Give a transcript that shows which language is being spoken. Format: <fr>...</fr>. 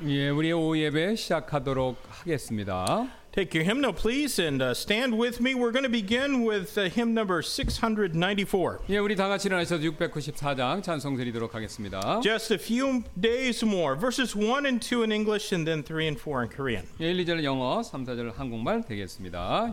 <ko>예, 우리 오예배 시작하도록 하겠습니다.</ko> <en>Take your hymnal, please, and stand with me. We're going to begin with hymn number 694.</en> <ko>예, 우리 다 같이 일어나셔서 694장 찬송 드리도록 하겠습니다.</ko> <en>Just a few days more. Verses 1 and 2 in English, and then 3 and 4 in Korean.</en> <ko>예, 1, 2절 영어, 3, 4절 한국말 되겠습니다.</ko>